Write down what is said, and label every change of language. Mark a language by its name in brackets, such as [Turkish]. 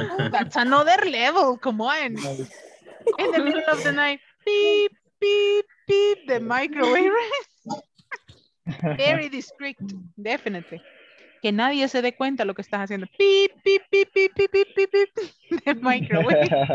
[English] That's another level, come on. In the middle of the night, beep, beep, beep, the microwave, right? Very discreet, definitely. [Spanish] Que nadie se dé cuenta lo que estás haciendo. [English] Beep, beep, beep, beep, beep, beep, beep, beep, the microwave.